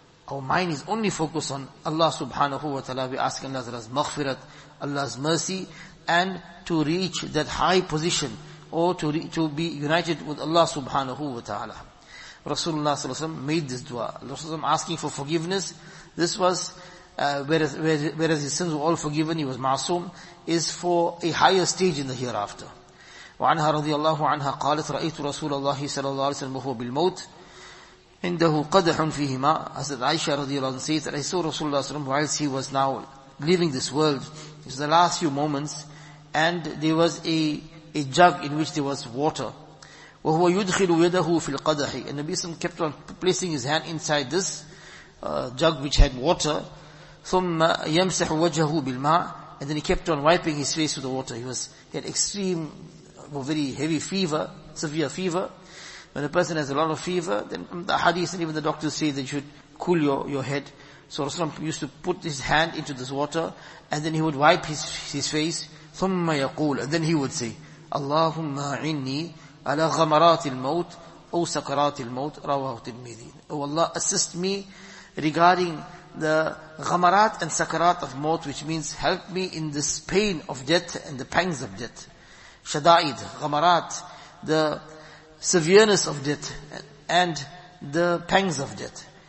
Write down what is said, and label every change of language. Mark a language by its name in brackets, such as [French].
[English] Our mind is only focused on Allah subhanahu wa ta'ala. We ask Allah's maghfirat, Allah's mercy, and to reach that high position, or to be united with Allah subhanahu wa ta'ala. Rasulullah sallallahu alaihi wasallam made this dua. Rasulullah asking for forgiveness, this was whereas his sins were all forgiven, he was ma'asum, is for a higher stage in the hereafter. [Arabic] وعنها رضي الله عنها قالت رأيت رسول الله صلى الله عليه وسلم وهو بالموت عنده قدح فيه ماء. حضرت عائشة رضي الله عنها [English] said that I saw [Arabic] رسول الله صلى الله عليه وسلم [English] whilst he was now leaving this world, it's the last few moments, and there was a jug in which there was water. [Arabic] وهو يدخل يده في القدح, [English] and Nabi Sallam kept on placing his hand inside this jug which had water. [Arabic] ثم يمسح وجهه بالماء, [English] and then he kept on wiping his face with the water. He had extreme, very heavy fever, severe fever. When a person has a lot of fever, then the hadith and even the doctors say that you should cool your head. So Rasulullah used to put his hand into this water, and then he would wipe his face. [Arabic] ثم يقول, [English] and then he would say, [Arabic] اللهم عني على غمرات الموت أو سكرات الموت رواه الترمذي. [English] Oh Allah, assist me regarding the غمرات and سكرات of موت, which means help me in this pain of death and the pangs of death. Shada'id, ghamarat, the severeness of death and the pangs of death.